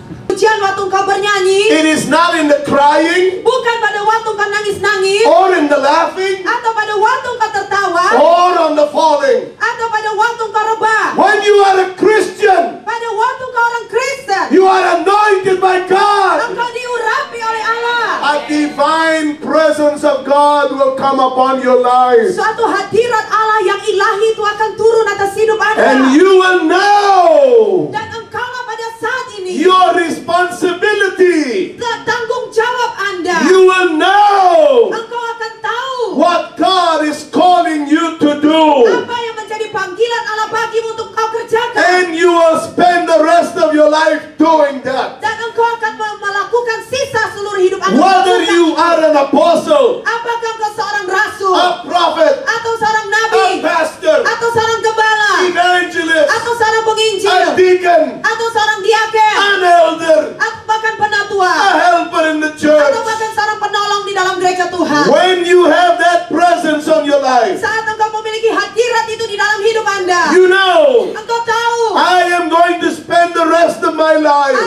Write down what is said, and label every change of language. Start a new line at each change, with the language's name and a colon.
Indonesian: Ujian waktu kau bernyanyi.
English: It is not in the crying.
Indonesian: Bukan pada waktu kau nangis-nangis.
English: Or in the laughing.
Indonesian: Atau pada waktu kau tertawa.
English: Or on the falling.
Indonesian: Atau pada waktu kau rebah.
English: When you are a Christian.
Indonesian: Pada waktu kau orang Kristen.
English: You are anointed by God.
Indonesian: Kau diurapi oleh Allah.
English: A divine presence of God will come upon your life.
Indonesian: Suatu hadirat Allah yang ilahi itu akan turun atas hidup Anda.
English: And you will know.
Indonesian: Dan engkau lah pada saat ini.
English: Your responsibility.
Indonesian: Tanggung jawab Anda.
English: You will know.
Indonesian: Engkau akan tahu.
English: What God is calling you to do.
Indonesian: Apa yang menjadi panggilan Allah bagimu untuk kau kerjakan.
English: And you will spend the rest of your life doing that.
Indonesian: Dan engkau akan melakukan sisa seluruh hidup Anda.
English: Whether you are an apostle.
Indonesian: Apakah engkau seorang rasul?
English: A prophet.
Indonesian: Atau seorang nabi?
English: A pastor.
Indonesian: Atau seorang gembala?
English: Evangelist.
Indonesian: Atau seorang penginjil?
English: A deacon.
Indonesian: Atau seorang diaken?
English: An elder.
Indonesian: Atau bahkan penatua?
English: A helper in the church.
Indonesian: Atau bahkan seorang penolong di dalam gereja Tuhan?
English: When you have that presence on your life.
Indonesian: Saat engkau memiliki hadirat itu di dalam hidup Anda.
English: You know.
Indonesian: Engkau tahu.
English: I am going to spend the rest of my life.